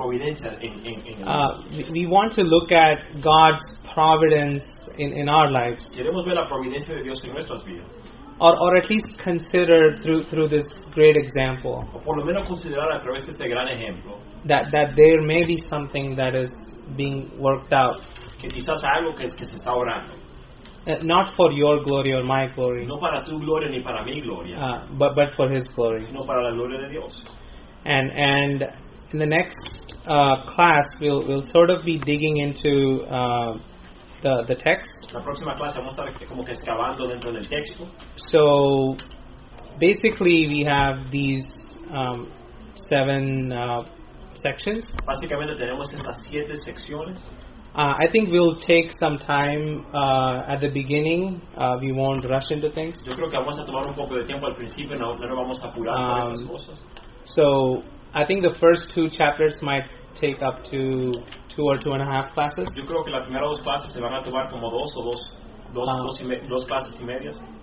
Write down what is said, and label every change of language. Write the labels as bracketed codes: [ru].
[en] We want to look at God's providence in our lives. [es] Queremos ver la providencia de Dios en nuestras vidas. [en] Or at least consider through this great example. [es] O por lo menos considerar a través de este gran ejemplo. [en] That there may be something that is being worked out. [es] Que quizás algo que se está orando. [en] Not for your glory or my glory. [es] No para tu gloria ni para mi gloria. [en] But for His glory. [es] Sino para la gloria de Dios. [en] And in the next class we'll sort of be digging into the text. [es] La próxima clase vamos a estar como que excavando dentro del texto. [en] So basically we have these seven sections. [es] Básicamente tenemos estas siete secciones. [en] I think we'll take some time at the beginning. We won't rush into things. [es] Yo creo que vamos a tomar un poco de tiempo al principio, no vamos a apurar estas cosas. [en] So I think the first two chapters might take up to two or two and a half classes. [es] Yo creo que las primeras dos clases se van a tomar como dos clases y medias.